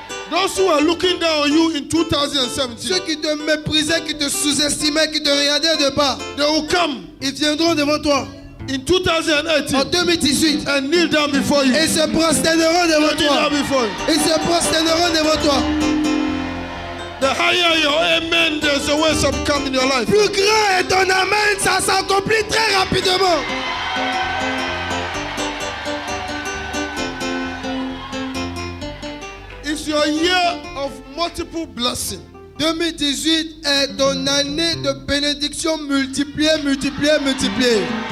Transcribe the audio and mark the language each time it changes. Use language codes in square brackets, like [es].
[en] Those who are looking down on you in 2017. [fr] Ceux qui te méprisaient, qui te sous-estimaient, qui te regardaient de bas. [en] They will come. [fr] Ils viendront devant toi. [en] In 2018. [fr] En 2018. [en] And kneel down before you. [fr] Et se prosterneront devant toi. [en] Kneel down before you. [fr] Et se prosterneront devant toi. [en] The higher your amen, there's a way some come in your life. [fr] Plus grand est ton amen, ça s'accomplit très rapidement. [en] It's your year of multiple blessings. [fr] 2018 est ton année de bénédiction multipliée, multipliée, multipliée.